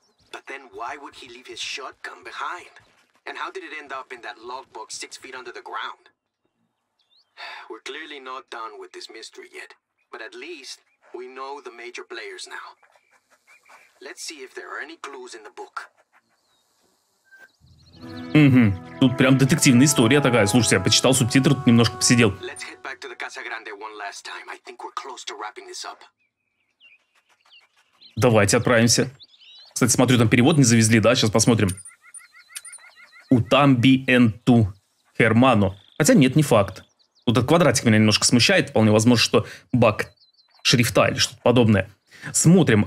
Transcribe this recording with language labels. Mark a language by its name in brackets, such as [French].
[English] But then why would he leave his shotgun behind? And how did it end up in that logbook 6 feet under the ground? We're clearly not done with this mystery yet, but at least we know the major players now. Let's see if there are any clues in the book. [Russian] Тут прям детективная история такая. Слушайте, я почитал субтитры, тут немножко посидел. [English] Let's head back to the Casa Grande one last time. I think we're close to wrapping this up. [Russian] Давайте отправимся. Кстати, смотрю, там перевод не завезли, да? Сейчас посмотрим. Утамби энту Хермано. Хотя нет, не факт. Вот этот квадратик меня немножко смущает. Вполне возможно, что баг шрифта или что-то подобное. Смотрим.